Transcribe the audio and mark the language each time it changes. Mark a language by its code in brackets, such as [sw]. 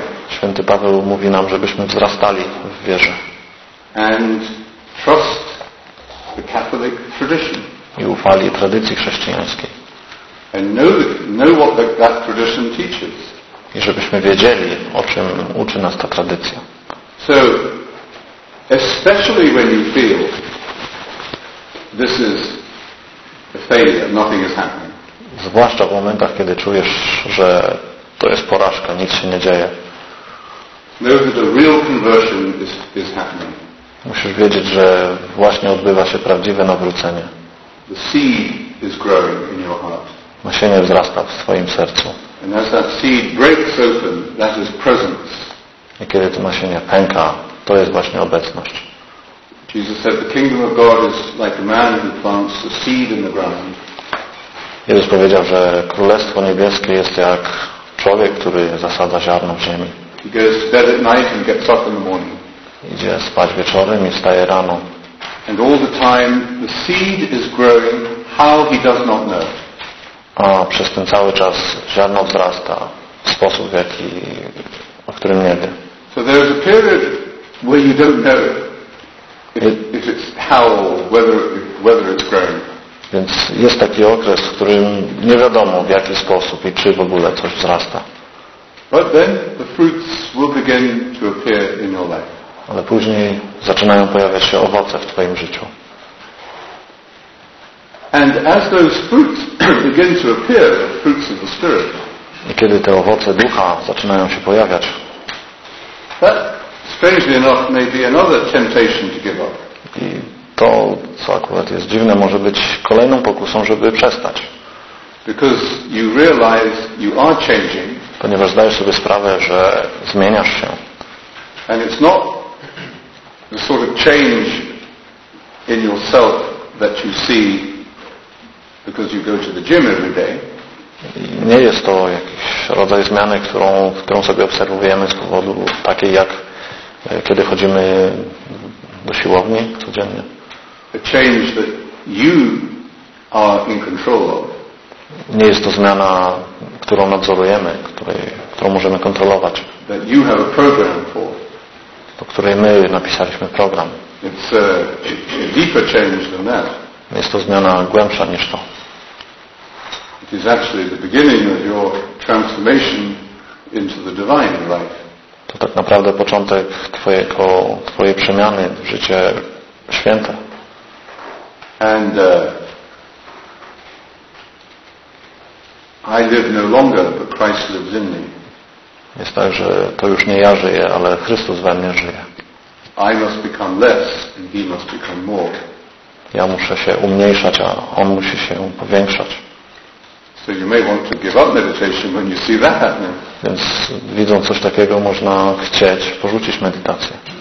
[pl] Święty Paweł mówi nam, żebyśmy wzrastali w wierze. [en] And trust the Catholic tradition. [pl] I ufali tradycji chrześcijańskiej. [en] And know what that tradition teaches. [pl] I żebyśmy wiedzieli, o czym uczy nas ta tradycja. [en] So, especially when you feel this is a failure, nothing is happening. [pl] Zwłaszcza w momentach, kiedy czujesz, że to jest porażka, nic się nie dzieje. [en] Know that a real conversion is happening. [pl] Musisz wiedzieć, że właśnie odbywa się prawdziwe nawrócenie. [en] The seed is growing in your heart. [pl] Nasienie wzrasta w twoim sercu. [en] And as that seed breaks open, that is presence. [pl] I kiedy to nasienie pęka, to jest właśnie obecność. [en] Jesus said, the kingdom of God is like a man who plants a seed in the ground. [pl] Jezus powiedział, że Królestwo Niebieskie jest jak człowiek, który zasadza ziarno w ziemi. [en] He goes to bed at night and gets up in the morning. [pl] Idzie spać wieczorem i wstaje rano. [en] And all the time the seed is growing, how he does not know. [pl] A przez ten cały czas ziarno wzrasta w sposób, o którym nie wie. [en] So there is a period where you don't know if it's how, whether it's growing. [pl] Więc jest taki okres, w którym nie wiadomo, w jaki sposób i czy w ogóle coś wzrasta. [en] But then the fruits will begin to appear in your life. [pl] Ale później zaczynają pojawiać się owoce w twoim życiu. [en] And as those fruits begin to appear, the fruits of the Spirit. [pl] I kiedy te owoce ducha zaczynają się pojawiać. [en] That, strangely enough, may be another temptation to give up. [pl] I to, co akurat jest dziwne, może być kolejną pokusą, żeby przestać. [en] Because you realize you are changing. [pl] Ponieważ zdajesz sobie sprawę, że zmieniasz się. [en] And it's not the sort of change in yourself that you see because you go to the gym every day. [pl] Nie jest to jakiś rodzaj zmiany, którą sobie obserwujemy z powodu takiej, jak kiedy chodzimy do siłowni codziennie. [en] A change that you are in control of. [pl] Nie jest to zmiana, którą nadzorujemy, którą możemy kontrolować. [en] That you have a program for. [pl] Do której my napisaliśmy program. [en] It's a deeper change than that. [pl] Jest to zmiana głębsza niż to. [en] It is actually the beginning of your transformation into the divine life. [pl] To tak naprawdę początek twojej przemiany w życie święte. [en] And I live no longer, but Christ lives in me. [pl] Jest tak, że to już nie ja żyję, ale Chrystus we mnie żyje. [en] I must become less and he must become more. [pl] Ja muszę się umniejszać, a on musi się powiększać. [en] So you may want to give up meditation when you see that happening. [pl] Więc widząc coś takiego, można chcieć porzucić medytację.